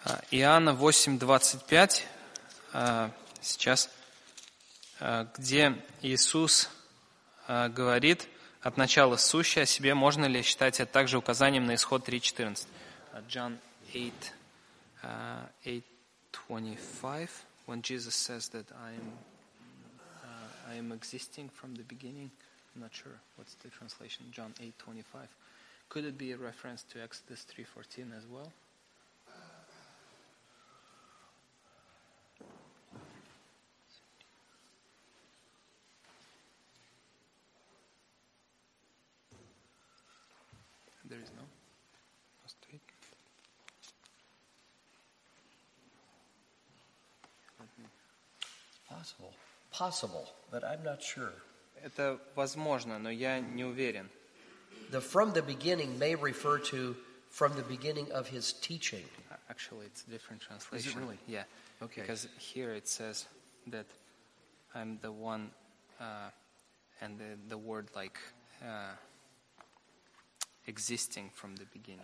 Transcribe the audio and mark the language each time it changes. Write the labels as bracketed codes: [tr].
[ru] Иоанна 8:25, сейчас, где Иисус говорит от начала сущее о себе, можно ли считать это также указанием на исход 3:14? John 8:25. [en] 8:25, when Jesus says that I am existing from the beginning. I'm not sure what's the translation. John 8:25. Could it be a reference to Exodus 3:14 as well? There is no mistake. It's possible. Possible, but I'm not sure. [ru] Это возможно, но я не уверен. [en] The from the beginning may refer to from the beginning of his teaching. Actually, it's a different translation. Is it really? Yeah. Okay. Because here it says that I'm the one, and the word like existing from the beginning.